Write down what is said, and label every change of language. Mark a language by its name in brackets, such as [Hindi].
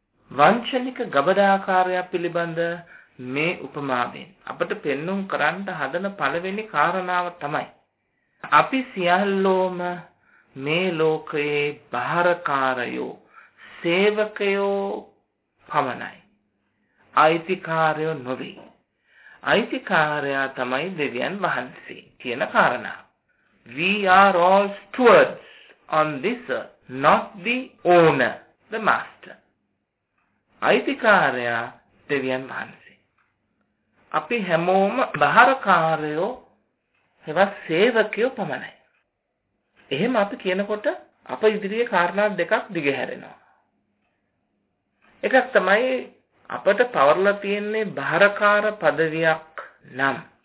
[Sinhala] වංචනික ගබඩාකාරයා පිළිබඳ මේ උපමාවෙන් අපට පෙන්නුම් කරන්න හදන පළවෙනි කාරණාව තමයි අපි සියල්ලෝම මේ ලෝකයේ බාරකාරයෝ, සේවකයෝ පමණයි, අයිතිකාරයෝ නොවේ. අයිතිකාරයා තමයි දෙවියන් වහන්සේ කියන කාරණා. [English] We are all stewards on this earth, not the owner, the master. [Sinhala] අයිතිකාරයා දෙවියන් වහන්සේ. අපි හැමෝම බාරකාරයෝ හෙවත් සේවකයෝ පමණයි. එහෙම අපි කියනකොට අප ඉදිරියේ කාරණා දෙකක් දිගහැරෙනවා. එකක් තමයි අපට පවරලා තියෙන්නේ බාරකාර පදවියක් නම්.